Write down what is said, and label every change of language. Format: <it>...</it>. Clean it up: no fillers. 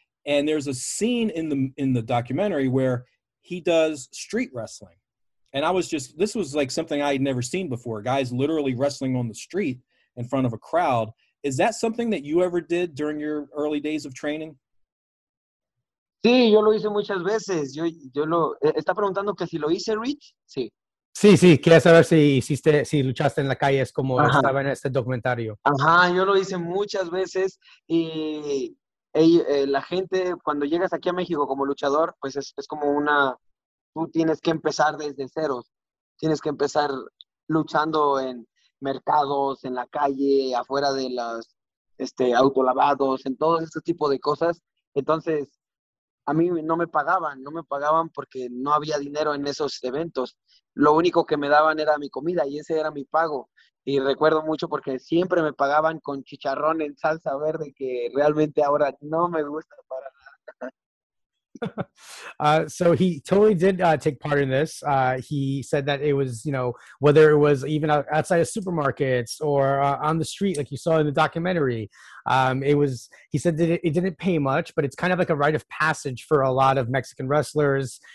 <en>And there's a scene in the documentary where he does street wrestling. And I was just, this was like something I had never seen before. Guys literally wrestling on the street in front of a crowd. Is that something that you ever did during your early days of training?</en> <es>Sí, yo lo hice muchas veces. Yo lo está preguntando que si lo hice, Rich. Sí. Sí, sí. Quería saber si hiciste, si luchaste en la calle, es como Ajá. estaba en este documentario. Ajá, yo lo hice muchas veces y la gente cuando llegas aquí a México como luchador, pues es como una, tú tienes que empezar desde ceros, tienes que empezar luchando en mercados, en la calle, afuera de las autolavados, en todo ese tipo de cosas. Entonces, a mí no me pagaban porque no había dinero en esos eventos. Lo único que me daban era mi comida y ese era mi pago. Y recuerdo mucho porque siempre me pagaban con chicharrón en salsa verde, que realmente ahora no me gusta para nada.</es> <en>So he totally did take part in this. He said that it was, you know, whether it was even outside of supermarkets or on the street, like you saw in the documentary, he said that it didn't pay much, but it's kind of like a rite of passage for a lot of Mexican wrestlers.</en>